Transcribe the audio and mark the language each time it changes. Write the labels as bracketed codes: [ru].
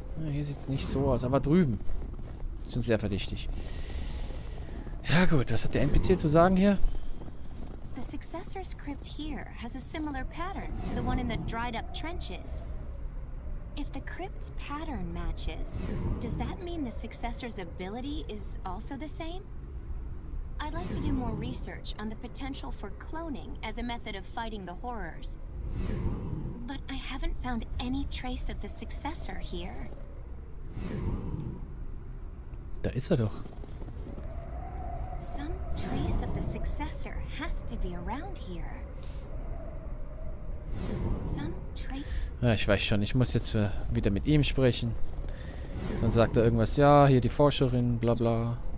[de] Hier sieht es nicht so aus, aber drüben sind sehr verdächtig. Ja gut, was hat der NPC zu sagen hier? [en] The successor's crypt here has a similar pattern to the one in the dried up trenches. If the crypt's pattern matches, does that mean the successor's ability is also the same? I'd like to do more research on the potential for cloning as a method of fighting the horrors. But I haven't found any trace of the successor here. [de] Da ist er doch. [en] Some trace of the successor has to be around here. Some trace. [de] Ja, ich weiß schon, ich muss jetzt wieder mit ihm sprechen. Dann sagt er irgendwas, ja, hier die Forscherin, bla bla.